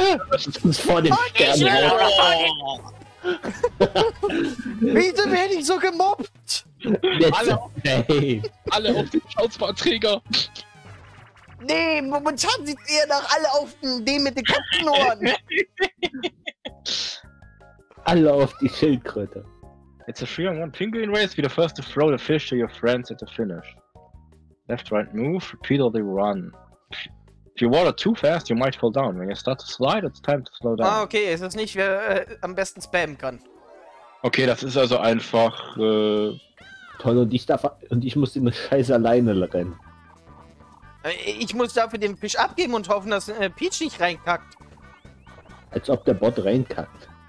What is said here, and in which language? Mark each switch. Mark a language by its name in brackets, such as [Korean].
[German] Das ist vor dem Sternen. Oh. Wieso werde ich so gemobbt? Alle auf den Schauspielträger! Nee, momentan sieht ihr nach alle auf den mit den Katzenohren! Alle auf die Schildkröte. [English] It's a 3-on-1 penguin race, be the first to throw the fish to your friends at the finish. Left, right, move, repeat or they run. If you water too fast, you might fall down. When you start to slide, it's time to slow down. [German] Ah, okay, es ist nicht, wer am besten spammen kann. Okay, das ist also einfach, Toll, und ich muss den Scheiß alleine rennen. Ich muss dafür den Fisch abgeben und hoffen, dass Peach nicht reinkackt. Als ob der Bot reinkackt.